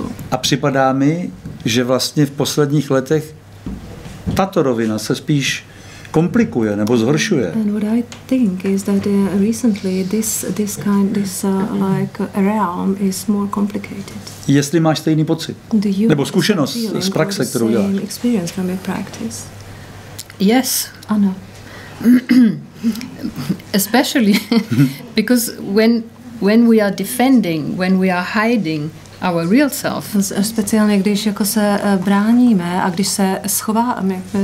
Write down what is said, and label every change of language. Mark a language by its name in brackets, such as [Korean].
[Czech] A připadá mi, že vlastně v posledních letech tato rovina se spíš komplikuje nebo zhoršuje. [English] And what I think is that recently this realm is more complicated. [Czech] Jestli máš stejný pocit nebo zkušenost z praxe, kterou děláš. [English] Same experience from your practice. Yes, [Czech] ano. [English] Especially because when we are defending, when we are hiding our real self. [Czech] Speciálně když jako se bráníme a když se schováme,